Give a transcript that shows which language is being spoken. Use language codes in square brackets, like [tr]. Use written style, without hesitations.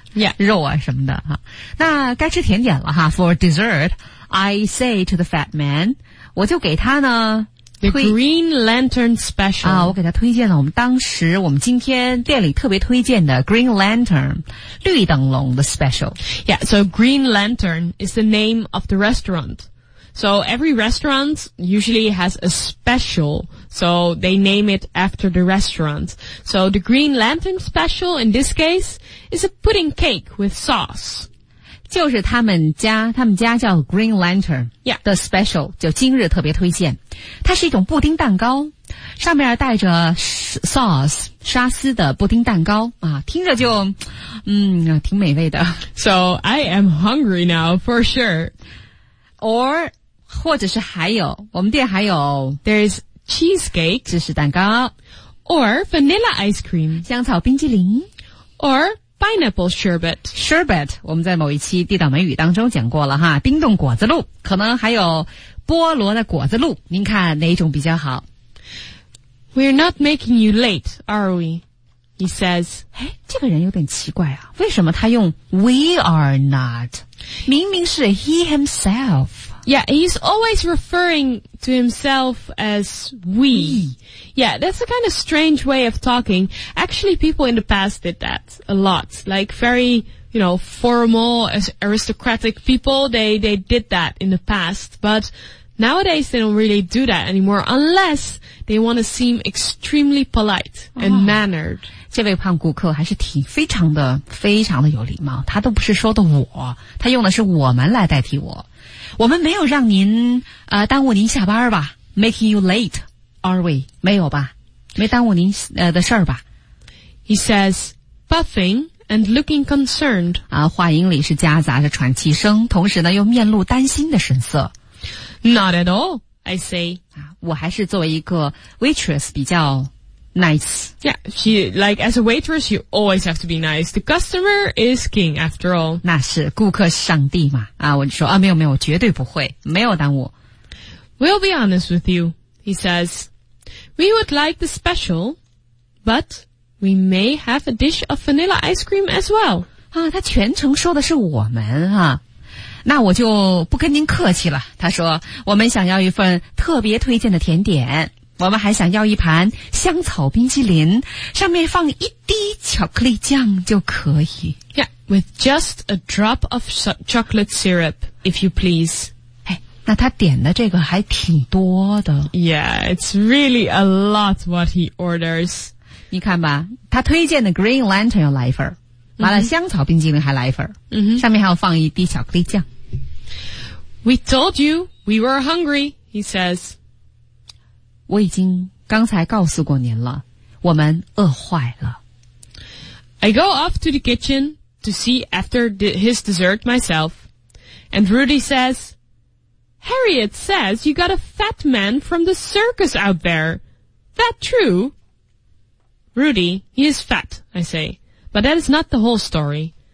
[en] yeah. [zh] 肉啊什么的哈。那该吃甜点了哈。 [en] For dessert, I say to the fat man, [zh] 我就给他呢 [en] The Green Lantern special. [zh] 啊，我给他推荐了我们当时我们今天店里特别推荐的 Green Lantern, 绿灯笼的 special. [en] Yeah, so Green Lantern is the name of the restaurant. So every restaurant usually has a special, so they name it after the restaurant. So the Green Lantern special in this case is a pudding cake with sauce. [zh] 就是他们家叫 Green Lantern 的 special,、 [en] yeah. [zh] 就今日特别推荐。它是一种布丁蛋糕，上面带着 sauce, 沙司的布丁蛋糕啊，听着就挺美味的。 [en] So I am hungry now for sure. [zh] Or, 或者是还有我们店还有 [en] There's cheesecake [zh] 芝士蛋糕 [en] Or vanilla ice cream [zh] 香草冰激凌 [en] Or pineapple sherbet [zh] Sherbet 我们在某一期地道美语当中讲过了哈，冰冻果子露可能还有菠萝的果子露您看哪一种比较好 [en] We're not making you late, are we? He says [zh] 这个人有点奇怪啊，为什么他用 [en] We are not [zh] 明明是 [en] he himself. Yeah, he's always referring to himself as we. Yeah, that's a kind of strange way of talking. Actually, people in the past did that a lot. Like very, you know, formal, aristocratic people, they did that in the past. But nowadays, they don't really do that anymore unless they want to seem extremely polite and mannered. [zh] 这位胖顾客还是挺非常的非常的有礼貌他都不是说的我他用的是我们来代替我们没有让您耽误您下班吧 [en] making you late are we [zh] 没有吧没耽误您的事儿吧 [en] he says puffing and looking concerned [zh] 啊，话音里是夹杂着喘气声同时呢又面露担心的神色 [en] not at all I say [zh] 啊，我还是作为一个 waitress 比较Nice. [en] Yeah, she, like, as a waitress, you always have to be nice. The customer is king, after all. [zh] 那是顾客上帝嘛。啊，我就说，啊，没有没有，绝对不会，没有耽误。 [en] We'll be honest with you, he says. We would like the special, but we may have a dish of vanilla ice cream as well. [zh] 啊，他全程说的是我们啊。那我就不跟您客气了。他说，我们想要一份特别推荐的甜点。我们还想要一盘香草冰淇淋上面放一滴巧克力酱就可以 [en] Yeah, with just a drop of chocolate syrup, if you please [zh] 那他点的这个还挺多的 [en] Yeah, it's really a lot what he orders [zh] 你看吧他推荐的 Green Lantern 有来一份完了香草冰淇淋还来一份、 [en] mm-hmm. [zh] 上面还要放一滴巧克力酱 [en] We told you we were hungry, He says, [zh] 我已经刚才告诉过您了，我们饿坏了。 [en] I go off to the kitchen to see after his dessert myself, and Rudy says, Harriet says you got a fat man from the circus out there. That true? Rudy, he is fat, I say, but that is not the whole story.